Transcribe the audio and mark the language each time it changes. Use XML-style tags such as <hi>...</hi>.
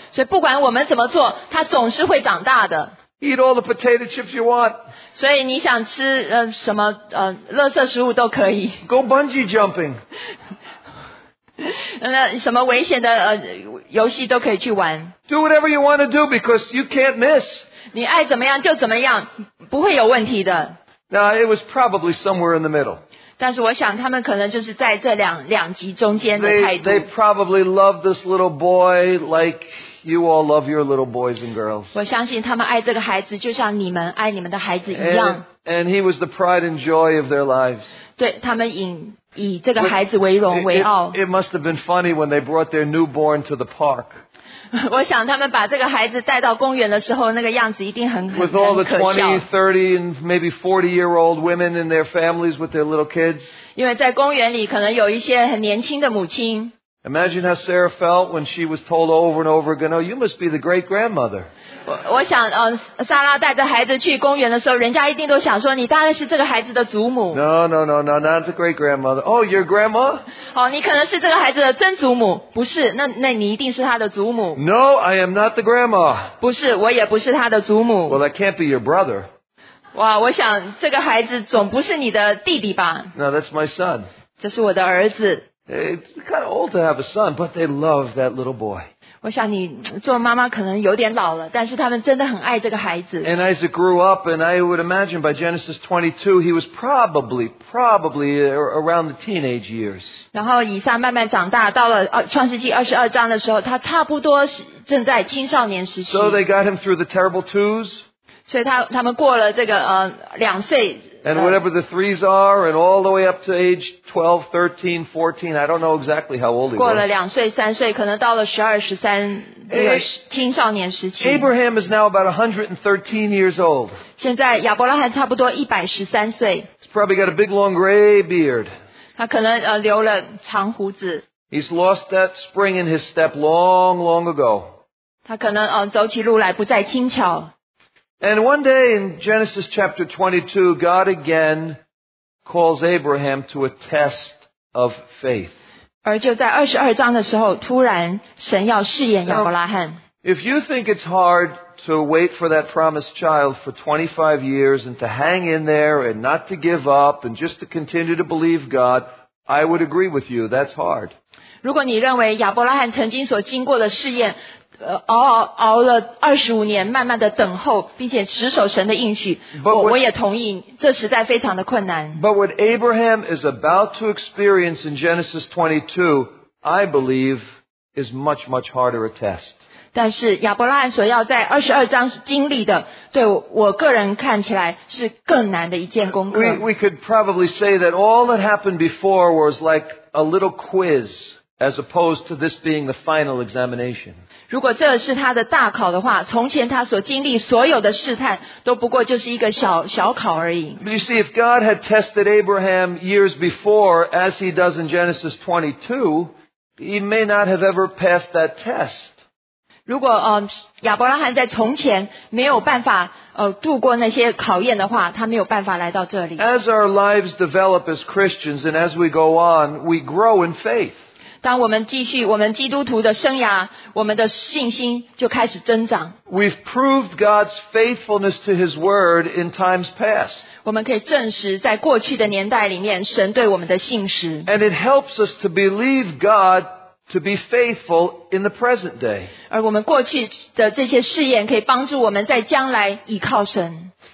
<zh>所以不管我们怎么做，他总是会长大的。</zh> <en>Eat all the potato chips you want.</en> <zh>所以你想吃什么垃圾食物都可以。</zh> <en>Go bungee jumping.</en> <zh>那什么危险的游戏都可以去玩。</zh> <en>Do whatever you want to do because you can't miss.</en> <zh>你爱怎么样就怎么样，不会有问题的。</zh> <en>Now it was probably somewhere in the middle.</en> <zh>但是我想他们可能就是在这两极中间的态度。</zh> <en>They probably love this little boy like you all love your little boys and girls.</en> <zh>我相信他们爱这个孩子就像你们爱你们的孩子一样。</zh> <en>And he was the pride and joy of their lives.</en> <zh>对他们以这个孩子为荣为傲。</zh> <en>It must have been funny when they brought their newborn to the park.</en> <zh>我想他们把这个孩子带到公园的时候，那个样子一定很可笑。</zh> <en>With all the 20, 30, and maybe 40-year-old women and their families with their little kids.</en> <zh>因为在公园里可能有一些很年轻的母亲。</zh> <en>Imagine how Sarah felt when she was told over and over again, "Oh, you must be the great grandmother."</en> <zh>我想，莎拉带着孩子去公园的时候，人家一定都想说，你大概是这个孩子的祖母。</zh> <en>No, not the great grandmother. Oh, your grandma?</en> <zh>哦，你可能是这个孩子的曾祖母，不是？那你一定是他的祖母。</zh> <en>No, I am not the grandma.</en> <zh>不是，我也不是他的祖母。</zh> <en>Well, that can't be your brother.</en> <zh>哇，我想这个孩子总不是你的弟弟吧</zh> <en>？No, that's my son.</en> <zh>这是我的儿子。</zh> <en>It's kind of old to have a son, but they love that little boy.</en> <zh>我想你做妈妈可能有点老了，但是他们真的很爱这个孩子。</zh> <en>And Isaac grew up, and I would imagine by Genesis 22, he was probably around the teenage years.</en> <zh>然后以撒慢慢长大，到了创世纪22章的时候，他差不多正在青少年时期。</zh> <en>So they got him through the terrible twos.</en> <zh>所以他们过了这个两岁</zh> <en>And whatever the threes are, and all the way up to age 12, 13, 14, I don't know exactly how old he was.</en> <zh>过了两岁三岁可能到了十二十三这个青少年时期</zh> <en>Abraham is now about 113 years old.</en> <zh>现在亚伯拉罕差不多113岁</zh> <en>He's probably got a big long gray beard.</en> <zh>他可能留了长胡子</zh> <en>He's lost that spring in his step long, long ago.</en> <zh>他可能走起路来不再轻巧</zh> <en>And one day in Genesis chapter 22, God again calls Abraham to a test of faith.</en> <zh>而就在22章的时候，突然神要试验亚伯拉罕。</zh> <en>If you think it's hard to wait for that promised child for 25 years and to hang in there and not to give up and just to continue to believe God, I would agree with you. That's hard.</en> <zh>如果你认为亚伯拉罕曾经所经过的试验熬了二十五年，慢慢的等候，并且持守神的应许。我也同意，这实在非常的困难。</zh> <en>But what Abraham is about to experience in Genesis 22, I believe, is much, much harder a test.</en> <zh>但是亚伯拉罕所要在二十二章经历的，对我个人看起来是更难的一件功课。</zh> <en>We could probably say that all that happened before was like a little quiz. As opposed to this being the final examination.</en> <zh>如果这是他的大考的话，从前他所经历所有的试探都不过就是一个小考而已。</zh> <en>But you see, if God had tested Abraham years before, as he does in Genesis 22, he may not have ever passed that test.</en> <zh>如果亚伯拉罕在从前没有办法度过那些考验的话，他没有办法来到这里。</zh> <en>As our lives develop as Christians and as we go on, we grow in faith.</en> <zh>当我们继续我们基督徒的生涯，我们的信心就开始增长。</zh> <en>We've proved God's faithfulness to His Word in times past.</en> <zh>我们可以证实在过去的年代里面，神对我们的信实。</zh> <en>And it helps us to believe God to be faithful in the present day.</en> <zh>而我们过去的这些试验可以帮助我们在将来倚靠神。</zh>